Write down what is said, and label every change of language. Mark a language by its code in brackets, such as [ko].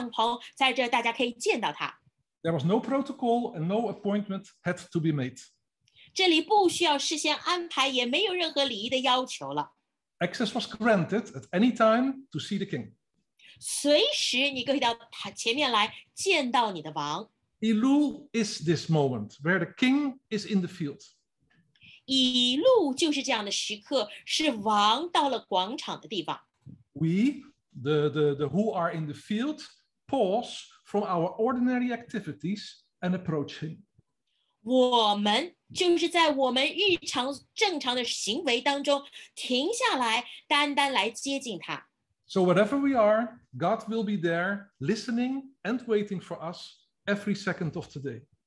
[zh] 然而，在古代的时候呢，王会亲自来到广场上，在这里搭起来的帐篷，在这大家可以见到他。 [en] There was no protocol and no appointment had to be made. [zh] 这里不需要事先安排，也没有任何礼仪的要求了。 [en] Access was granted at any time to see the king. [zh] 随时你可以到前面来见到你的王。Ilu [en] is this moment where the king is in the field. [zh] 一路就是这样的时刻，是王到了广场的地方。 [en] We, the who are in the field, pause from our ordinary activities and approach him. [zh] 我们就是在我们日常正常的行为当中停下来，单单来接近他。 [en] So wherever we are, God will be there, listening and waiting for us every second of today.